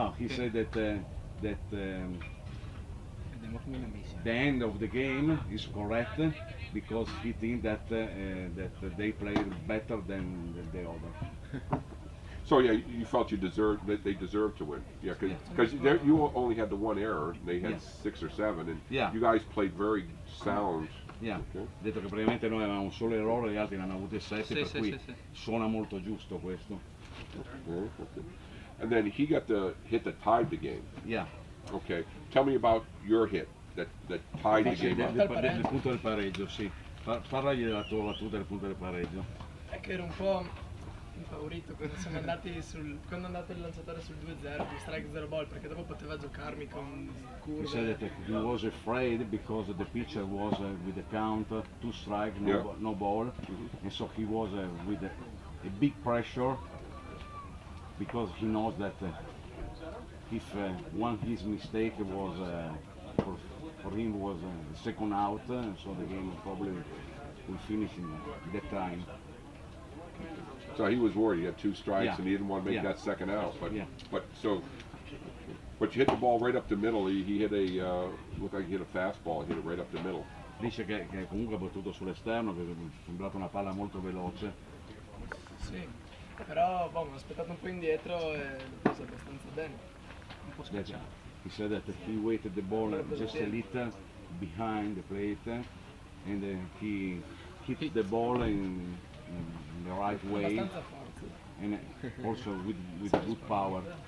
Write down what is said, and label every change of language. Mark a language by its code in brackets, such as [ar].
[en] Said that the end of the game is correct because he think that that they played better than the other. So yeah, you felt you deserved that they deserved to win. Yeah, because you only had the one error. They had six or seven, and you guys played very sound. Yeah. Okay. [it] Detto che praticamente noi avevamo un solo errore e gli altri ne hanno avuti sette, per cui suona molto giusto questo. [en] And then he got the hit that tied the game. Yeah. Okay. Tell me about your hit that tied the game. [it] Del punto del pareggio, sì. Parlagli della tua battuta del punto del pareggio. È che ero un po' infavorito quando sono andati sul, quando è andato il lanciatore sul 2-0, sul strike 0 ball, perché dopo poteva giocarmi con curve. [en] He said that he was afraid because the pitcher was with the count 2 strikes, no, yeah, no ball, mm-hmm, and so he was with a big pressure because he knows that if one his mistake was for him was the second out, and so the game probably will finish in that time. So he was worried. He had 2 strikes, yeah, and he didn't want to make, yeah, that second out. But yeah, but so, but you hit the ball right up the middle. He hit a looked like he hit a fastball. He hit it right up the middle. [it] Dice che comunque ha battuto sull'esterno, che è sembrata una palla molto veloce. Sì, però boh, mi ha aspettato un po' indietro e l'ho preso abbastanza bene. Un po' scacciato. [en] He said that he waited the ball just a little behind the plate, and he hit the ball in the right way, and also with good power.